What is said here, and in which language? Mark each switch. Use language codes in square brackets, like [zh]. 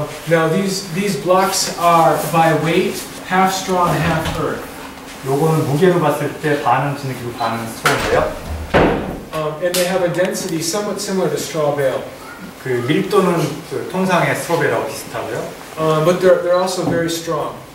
[en] Now these blocks are by weight half straw and half earth. [ko] 요거는 무게로 봤을 때 반은 진흙이고 반은 스트로인데요. [en] And they have a density somewhat similar to straw bale. [ko] 그 밀도는 그 통상의 스트로베일하고 비슷하고요. [en] But they're also very strong.